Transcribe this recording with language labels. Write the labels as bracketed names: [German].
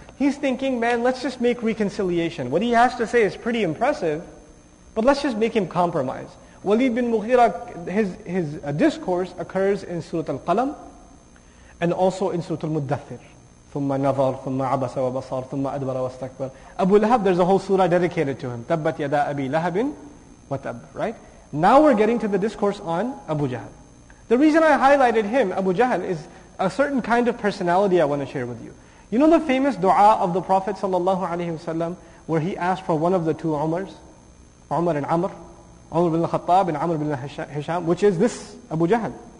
[English] He's thinking, man, let's just make reconciliation. What he has to say is pretty impressive, but let's just make him compromise. Walid bin Mughira, his discourse occurs in Surah Al-Qalam, and also in Surah Al-Muddathir. [Arabic] ثُمَّ نَظَرْ ثُمَّ عَبَسَ وَبَصَرْ ثُمَّ أَدْبَرَ وَاسْتَكْبَرْ [English] Abu Lahab, there's a whole surah dedicated to him. [Arabic] تَبَّتْ يَدَا أَبِي لَهَبٍ وَتَبْ [English] Right? Now we're getting to the discourse on Abu Jahl. The reason I highlighted him, Abu Jahl, is a certain kind of personality I want to share with you. You know the famous dua of the Prophet ﷺ where he asked for one of the two Umars? Umar and Amr. Umar ibn al-Khattab and Amr ibn al-Hisham, which is this Abu Jahl.